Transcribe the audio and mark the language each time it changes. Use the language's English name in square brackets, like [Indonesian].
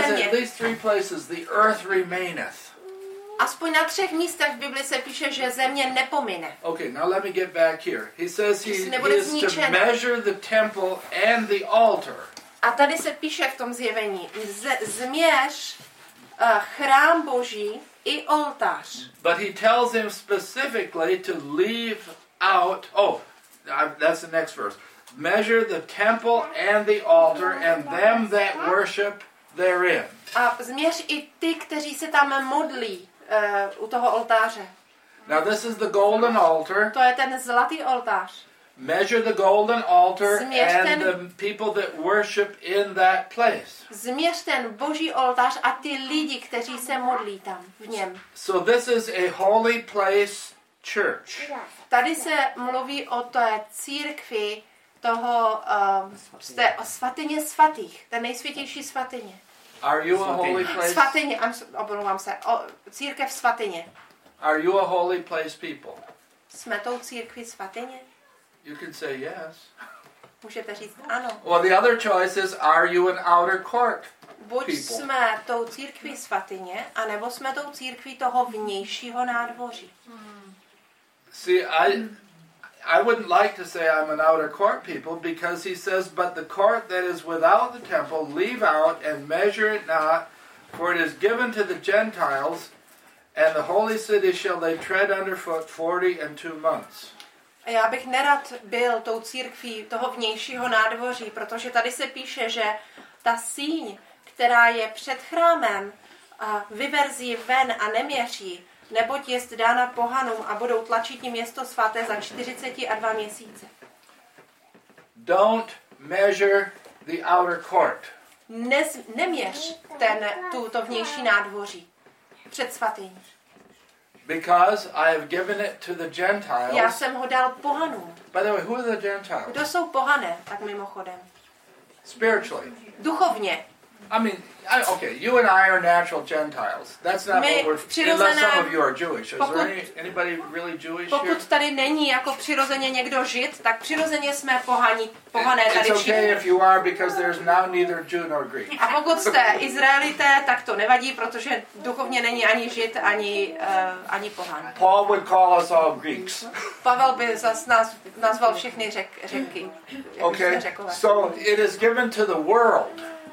[English] Word of God says at least three places the earth remaineth. [Czech] Aspoň na třech místech v Biblii se píše, že země nepomine. [English] Okay, now let me get back here. He says he is to measure the temple and the altar. [Czech] A tady se píše v tom Zjevení, změř chrám Boží i oltář. [English] But he tells him specifically to leave out, that's the next verse. Measure the temple and the altar and them that worship therein. [Czech] A změř i ty, kteří se tam modlí u toho oltáře. [English] Now this is the golden altar. [Czech] To je ten zlatý oltář. [English] Measure the golden altar and the people that worship in that place. [Czech] Změř ten boží oltář a ty lidi, kteří se modlí tam v něm. [English] So this is a holy place church. [Czech] Tady se mluví o té církvi toho jste o svatyně svatých, ten nejsvětější svatyně. [English] Are you a holy place? [Czech] Svatyně, omlouvám se, o církev svatyně. [English] Are you a holy place people? [Czech] Jsme tou církví svatyně? [English] You can say yes. [Czech] Můžete říct ano. [English] Well, the other choice is, are you an outer court people? [Czech] Buď jsme tou církví svatyně, anebo jsme tou církví toho vnějšího nádvoří. [English] See, I wouldn't like to say I'm an outer court people, because he says, but the court that is without the temple, leave out and measure it not, for it is given to the Gentiles, and the holy city shall they tread underfoot 42 months. [Czech] Já bych nerad byl tou církví toho vnějšího nádvoří, protože tady se píše, že ta síň, která je před chrámem, vyverzí ven a neměří, neboť jest dána pohanům a budou tlačit jim město svaté za 42 měsíce. [English] Don't measure the outer court. [Czech] Neměř to vnější nádvoří před svatyní. [English] Because I have given it to the Gentiles. [Czech] Já jsem ho dal pohanům. [English] By the way, who are the Gentiles? [Czech] Kdo jsou pohané, tak mimochodem? [English] Spiritually. [Czech] Duchovně. [English] I mean, okay, you and I are natural Gentiles. That's not my what we're... [Czech] Přirozené, [English] unless some of you are Jewish. Is pokud, there anybody really Jewish [Czech] pokud [English] here? [Czech] Pokud tady není jako přirozeně někdo Žid, tak přirozeně jsme pohaní, pohané tady všichni. [English] It's okay if you are, because there's now neither Jew nor Greek. [Czech] A pokud jste Izraelité, tak to nevadí, protože duchovně není ani Žid, ani pohán. [English] Paul would call us all Greeks. [Czech] Pavel by zas nazval všechny Řeky. [English] Okay, so it is given to the world.